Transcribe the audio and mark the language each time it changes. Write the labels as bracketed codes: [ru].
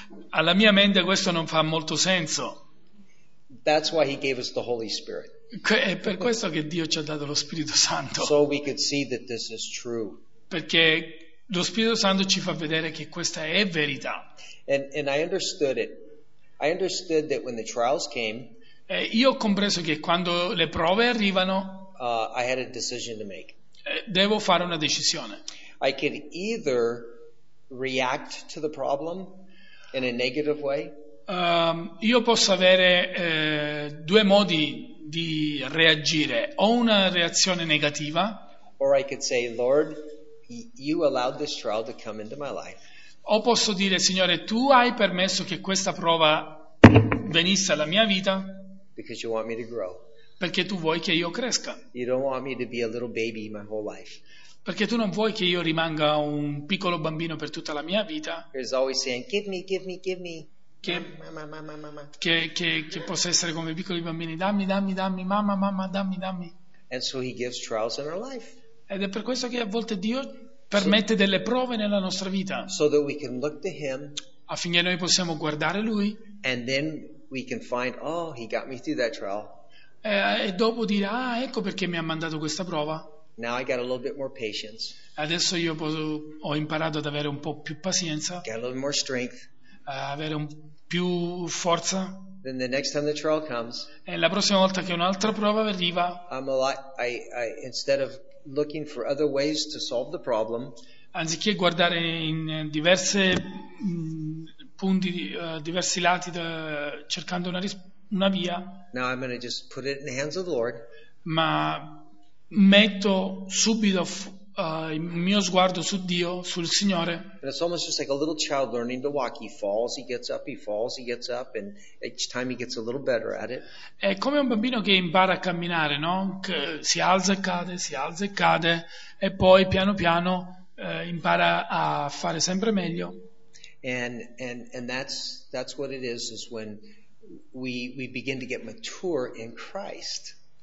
[it] Alla mia mente questo non fa molto senso. [en] That's why he gave us the Holy Spirit. [it] È per questo che Dio ci ha dato lo Spirito Santo. [en] So we could see that this is true. [it] Perché lo Spirito Santo ci fa vedere che questa è verità. [en] And I understood it. I understood that when the trials came. [it] Io ho compreso che quando le prove arrivano. [en] I had a decision to make. [it] Devo fare una decisione. [en] I could either react to the problem in a negative way. [it] Io posso avere due modi di reagire, o una reazione negativa, o posso dire: Signore, tu hai permesso che questa prova venisse alla mia vita [en] because you want me to grow. [it] Perché tu vuoi che io cresca. [en] You don't want me to be a little baby my whole life. [it] Perché tu non vuoi che io rimanga un piccolo bambino per tutta la mia vita. [en] He's always saying, give me, give me, give me. [it] Che possa essere come i piccoli bambini, dammi, dammi, dammi, mamma, mamma, dammi, dammi. [en] And so he gives trials in our life. [it] Ed è per questo che a volte Dio permette delle prove nella nostra vita, [en] so that we can look to him, [it] affinché noi possiamo guardare lui, [en] and then we can find, oh, he got me through that trial. [it] E dopo dire, ah, ecco perché mi ha mandato questa prova. [en] Now I got a little bit more patience. [it] Adesso io ho imparato ad avere un po' più pazienza. [en] Got a little more strength. [it] Avere un più forza. [en] Then the next time the trial comes, [it] e la prossima volta che un'altra prova arriva, [en] instead of looking for other ways to solve the problem, [it] anziché guardare in diverse punti, diversi lati, cercando una via, [en] now I'm going to just put it in the hands of the Lord. [it] Ma metto subito il mio sguardo su Dio, sul Signore. [en] And it's almost just like a little child learning to walk. He falls, he gets up, he falls, he gets up, and each time he gets a little better at it. [it] È come un bambino che impara a camminare, no? Che si alza e cade, e poi piano piano impara a fare sempre meglio. [en] And that's what it is when we begin to get mature in Christ.